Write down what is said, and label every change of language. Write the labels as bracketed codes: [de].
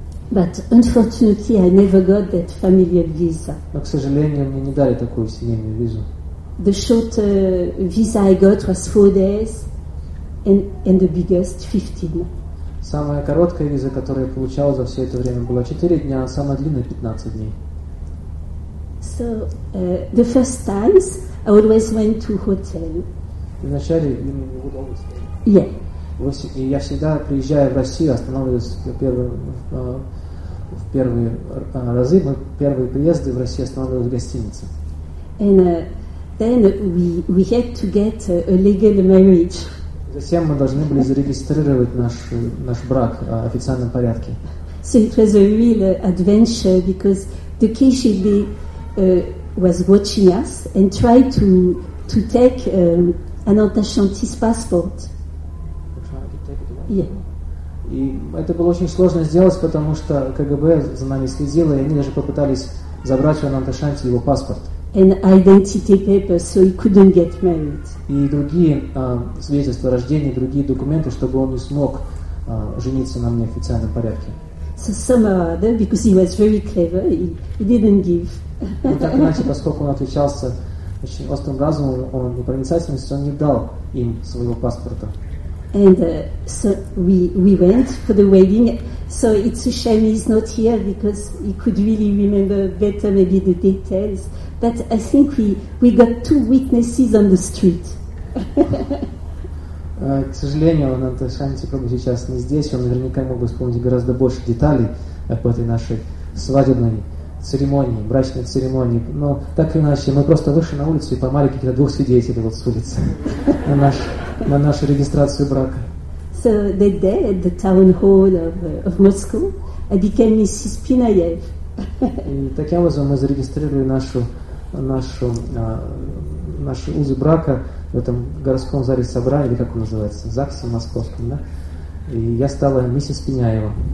[en] But unfortunately, I never got that familial visa. [ru] Но, к сожалению, мне не дали такую семейную визу. [en] The short visa I got was 4 days, and the biggest 15. [ru] Самая короткая виза, которую я получал за все это время, была 4 дня, а самая длинная 15 дней. [en] So the first times I always went to hotel. [ru] Вначале я не могу долго стоять. [en] Yeah. [ru] И я всегда приезжаю в Россию, останавливаюсь в первые приезды в Россию останавливаюсь в гостинице. [en] And then we had to get a legal marriage. [ru] Затем мы должны были зарегистрировать наш брак официальном порядке. [en] So it was a real adventure because the KGB was watching us and tried to take Ananta Shanti's passport. Yeah. [ru] И это было очень сложно сделать, потому что КГБ за нами следило, и они даже попытались забрать у Ананта Шанти его паспорт. [en] And identity papers, so he couldn't get married. [ru] И другие свидетельства о рождении, другие документы, чтобы он не смог жениться на мне в официальном порядке. [en] So somehow or other, because he was very clever, he didn't give. [ru] Но так иначе, поскольку он отличался очень острым разумом, он и проницательностью, он не дал им своего паспорта. [en] And so we went for the wedding. So it's a shame he's not here because he could really remember better maybe the details. But I think we got 2 witnesses on the street. [ru] К сожалению, Ананта Шанти Прабху сейчас не здесь. Он наверняка мог бы вспомнить гораздо больше деталей об этой нашей свадебной церемонии, брачной церемонии. Но так или иначе, мы просто вышли на улицу и поймали каких-то 2 свидетелей вот с улицы на нашу регистрацию брака. [en] So that day at the town hall of Moscow, I became Mrs. Pinayev. [ru] И таким образом мы зарегистрировали наши узы брака в этом городском зале собрания, или как он называется, ЗАГСе московском, да? И я стала миссис Пиняева.